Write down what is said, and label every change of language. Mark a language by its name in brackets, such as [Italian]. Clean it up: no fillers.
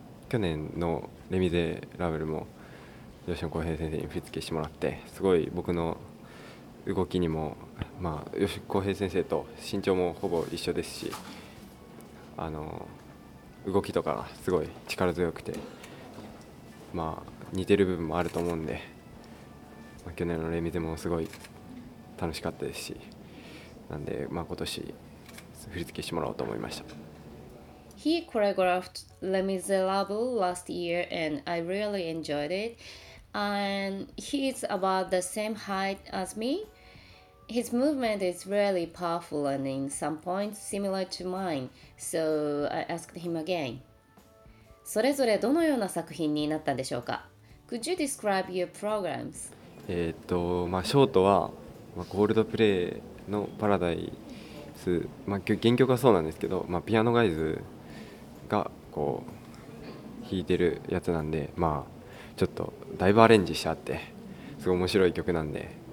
[Japanese] 去年のレミゼラブルも吉野浩平先生に振り付けしてもらって、すごい僕の動きにも、吉浩平先生と身長もほぼ一緒ですし、動きとかすごい力強くて、似てる部分もあると思うんで、去年のレミゼもすごい楽しかったですし、なんで、今年振り付けしてもらおうと思いました。 [English] He choreographed Les Miserables last year and I really enjoyed it. And he is about the same height as meHis movement is really powerful and in some points similar to mine, so I asked him again. [Japanese] それぞれどのような作品になったんでしょうか? [English] Could you describe your programs? [Japanese] ショートは、コールドプレイのパラダイス、原曲はそうなんですけど、ピアノガイズがこう弾いてるやつなんで、ちょっとだいぶアレンジしてあってすごい面白い曲なんで、